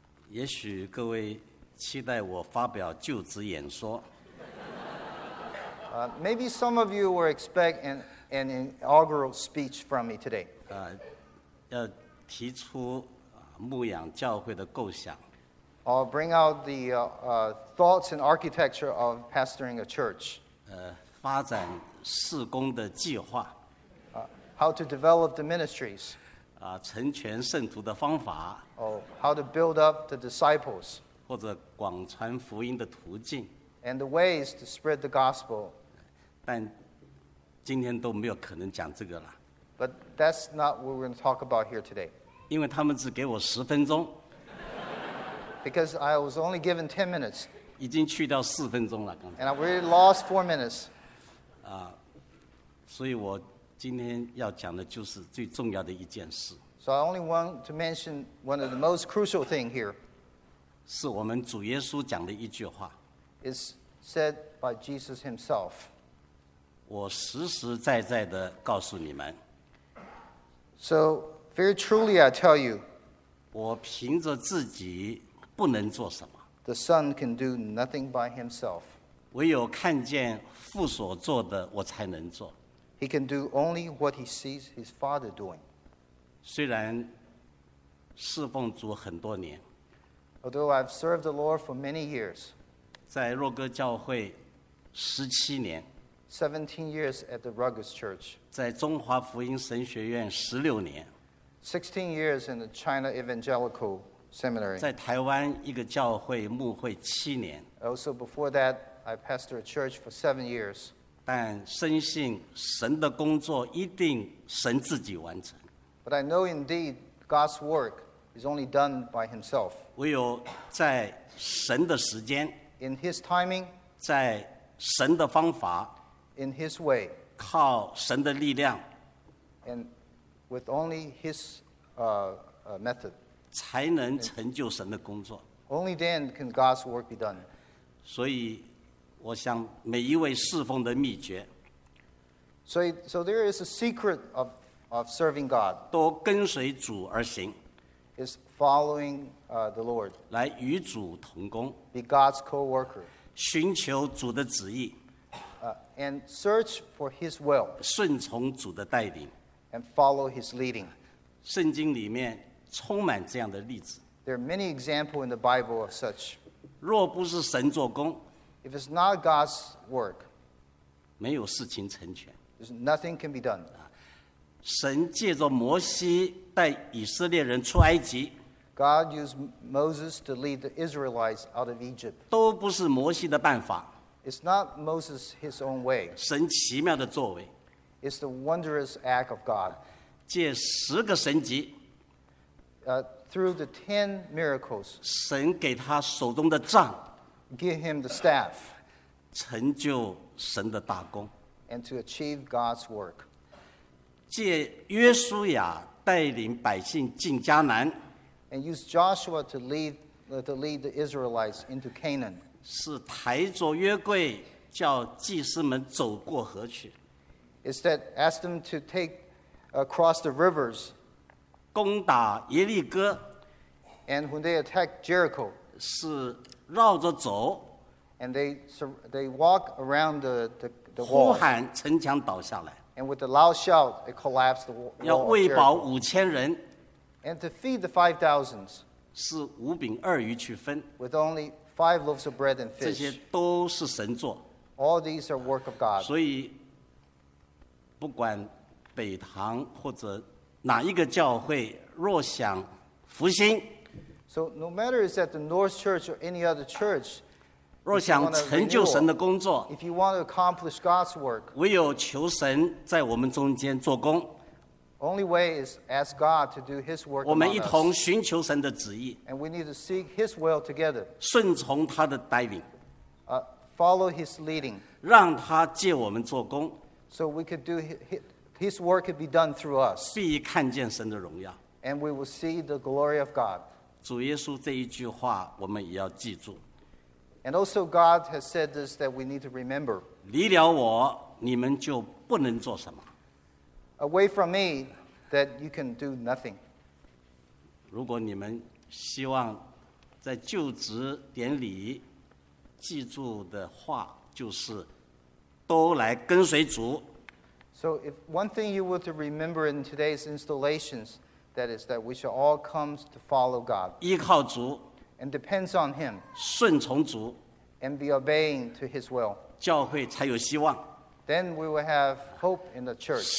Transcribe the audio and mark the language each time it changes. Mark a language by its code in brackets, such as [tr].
[zh] 也许各位期待我发表就职演说。 [en] Maybe some of you were expect an inaugural speech from me today. [zh] 要提出牧养教会的构想。 [en] I'll bring out the thoughts and architecture of pastoring a church. [zh] 发展事工的计划。 [en] How to develop the ministries. [zh] 成全圣徒的方法。 [en] How to build up the disciples. [zh] 或者广传福音的途径。 [en] And the ways to spread the gospel. [zh] 但今天都没有可能讲这个了。 [en] But that's not what we're going to talk about here today. [zh] 因为他们只给我十分钟。 [en] Because I was only given 10 minutes. [zh] 已经去掉四分钟了，刚才。 [en] And I really lost 4 minutes. [zh] 所以我今天要讲的就是最重要的一件事。 [en] So I only want to mention one of the most crucial thing here. [zh] 是我们主耶稣讲的一句话。 [en] It's said by Jesus himself. [zh] 我实实在在地告诉你们。 [en] So very truly I tell you. [zh] 我凭着自己不能做什么。 [en] The Son can do nothing by himself. [zh] 唯有看见父所做的，我才能做。 [en] He can do only what he sees his Father doing. [zh] 虽然侍奉主很多年。 [en] Although I've served the Lord for many years. [zh] 在若歌教会十七年。 [en] 17 years at the Ruggers Church. [zh] 在中华福音神学院十六年。 [en] 16 years in the China Evangelical. Seminary. [zh] 在台湾一个教会牧会七年。 [en] Also before that, I pastored a church for 7 years. [zh] 但深信神的工作一定神自己完成。 [en] But I know indeed God's work is only done by Himself. [zh] 唯有在神的时间 [en] ，in His timing， [zh] 在神的方法 [en] ，in His way， [zh] 靠神的力量 [en] ，and with only His method， [zh] 才能成就神的工作。 [en] Only then can God's work be done. [zh] 所以我想每一位侍奉的秘诀 [en] So there is a secret of serving God. [zh] 都跟随主而行 [en] Is following the Lord. [zh] 来与主同工 [en] Be God's co-worker. [zh] 寻求主的旨意 [en] And search for His will. [zh] 顺从主的带领 [en] And follow His leading. [zh] 圣经里面充满这样的例子 [en] There are many examples in the Bible of such. [zh] 若不是神做工, [en] if it's not God's work, [zh] 没有事情成全, [en] nothing can be done. [zh] 神借着摩西带以色列人出埃及, [en] God used Moses to lead the Israelites out of Egypt. [zh] 都不是摩西的办法, [en] it's not Moses his own way. [zh] 神奇妙的作为, [en] it's the wondrous act of God. [zh] 借十个神迹, [en] Through the 10 miracles, [zh] 神给他手中的杖 [en] give him the staff, [zh] 成就神的大功 [en] and to achieve God's work. [zh] 借约书亚带领百姓进迦南 [en] and use Joshua to lead the Israelites into Canaan. [zh] 是抬着约柜叫祭司们走过河去 [en] is that ask them to take across the rivers. [zh] 攻打耶利哥 [en] and when they attack Jericho, [zh] 是绕着走 [en] and they walk around the wall, [zh] 呼喊城墙倒下来 [en] and with a loud shout, it collapsed the wall [zh] 要喂饱五千人 [en] and to feed the 5,000 [zh] 是五饼二鱼去分 [en] with only five loaves of bread and fish, [zh] 这些都是神做 [en] all these are work of God. [zh] 所以不管北堂或者哪一个教会若想复兴 [en] ，So no matter is that the North Church or any other church， [zh] 若想成就神的工作 [en] ，If you want to accomplish God's work， [zh] 唯有求神在我们中间做工 [en] ，Only way is ask God to do His work。 [zh] 我们一同寻求神的旨意 [en] ，And we need to seek His will together。 [zh] 顺从他的带领 [en] ，Follow His leading。 [zh] 让他借我们做工 [en] ，So we could do His。 His work could be done through us. [zh] 必看见神的荣耀。 [en] And we will see the glory of God. [zh] 主耶稣这一句话我们也要记住。 [en] And also God has said this that we need to remember. [zh] 离了我你们就不能做什么。 [en] Away from me that you can do nothing. [zh] 如果你们希望在就职典礼记住的话就是都来跟随主。 [en] So if one thing you were to remember in today's installations, that is that we shall all come to follow God. [zh] 依靠主 [en] And depends on Him. [zh] 顺从主 [en] And be obeying to His will. [zh] 教会才有希望 [en] Then we will have hope in the church.